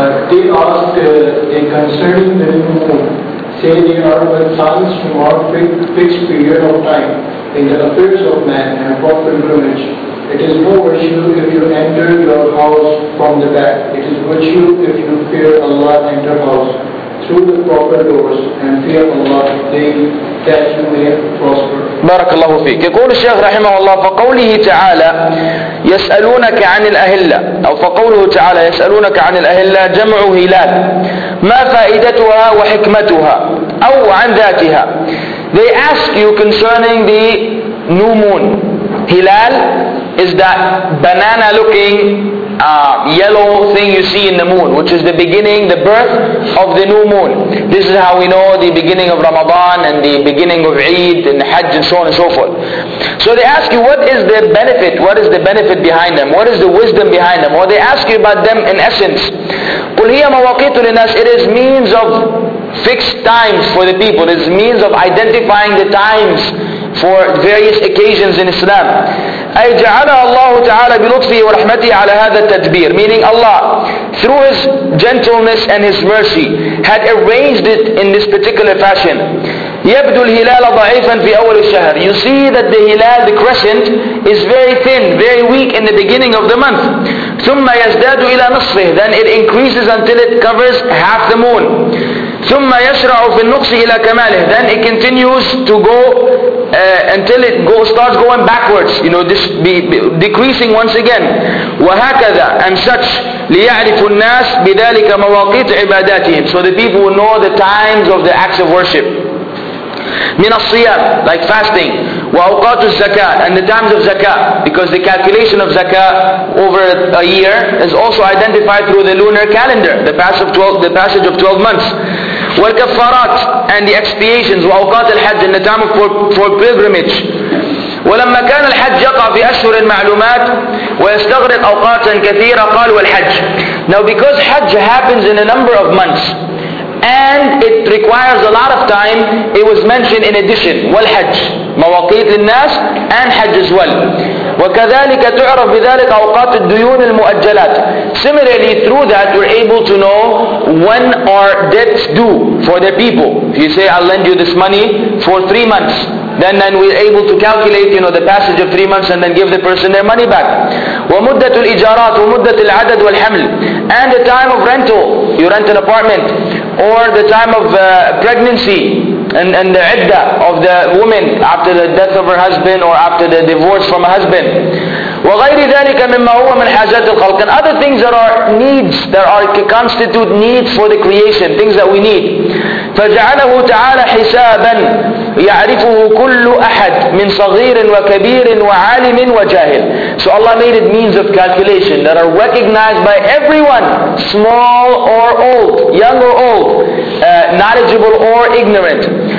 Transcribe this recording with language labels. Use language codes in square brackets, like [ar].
[en] They ask they concerning the new moon, say they are the signs from our fixed period of time in the affairs of man and for pilgrimage. It is no virtue if you enter your house from the back. It is virtue if you fear Allah and your house through the proper doors and fear Allah daily that you may prosper. [ar] بارك الله فيك. يقول الشيخ رحمه الله فقوله تعالى يسألونك عن الأهلة, أو فقوله تعالى يسألونك عن الأهلة جمع هلال, ما فائدتها وحكمتها أو عن ذاتها. [en] They ask you concerning the new moon. Hilal is that banana looking yellow thing you see in the moon, which is the beginning, the birth of the new moon. This is how we know the beginning of Ramadan and the beginning of Eid and Hajj and so on and so forth. So they ask you, what is the benefit? What is the benefit behind them? What is the wisdom behind them? Or they ask you about them in essence. [ar] قُلْ هِيَ مَوَاقِيتُ لِلنَّاسِ. [en] It is means of fixed times for the people. It is means of identifying the times for various occasions in Islam. [ar] أي جعلها الله تعالى بلطفه ورحمته على هذا التدبير. [en] Meaning Allah, through His gentleness and His mercy, had arranged it in this particular fashion. [ar] يبدو الهلال ضعيفا في أول الشهر. [en] You see that the hilal, the crescent, is very thin, very weak in the beginning of the month. [ar] ثم يزداد إلى نصفه. [en] Then it increases until it covers half the moon. [ar] ثم يشرع في النقص إلى كماله. [en] Then it continues to go until it starts going backwards, this decreasing once again. [ar] وهكذا, [en] and such, [ar] ليعرف الناس بذلك مواقيت عباداتهم. [en] So the people will know the times of the acts of worship. [ar] من الصيام, [en] like fasting, [ar] وأوقات الزكاة, [en] and the times of zakah, because the calculation of zakah over a year is also identified through the lunar calendar, the passage of 12 months. [ar] والكفارات, [en] and the expiations, [ar] وأوقات الحج, [en] and the time for pilgrimage. [ar] ولما كان الحج يقع في أشهر معلومات ويستغرق أوقات كثيرة قال والحج. [en] Now because Hajj happens in a number of months and it requires a lot of time, it was mentioned in addition. [ar] والحج مواقيت للناس [en] and Hajj as well. [ar] وكذلك تعرف بذلك أوقات الديون المؤجلات. [en] Similarly, through that you're able to know when are debts due for the people. If you say I'll lend you this money for 3 months, then we're able to calculate, you know, the passage of 3 months and then give the person their money back. [ar] ومدة الإيجارات ومدة العدد والحمل. [en] And the time of rental, you rent an apartment, or the time of pregnancy and the عدة of the woman after the death of her husband or after the divorce from a husband. [ar] وغير ذلك مما هو من حاجات الخلق. [en] And other things that are needs, that are constitute needs for the creation, things that we need. [ar] فجعله تعالى حسابا يعرفه كل أحد من صغير وكبير وعالم وجاهل. [en] So Allah made it means of calculation that are recognized by everyone, small or old, young or old, knowledgeable or ignorant.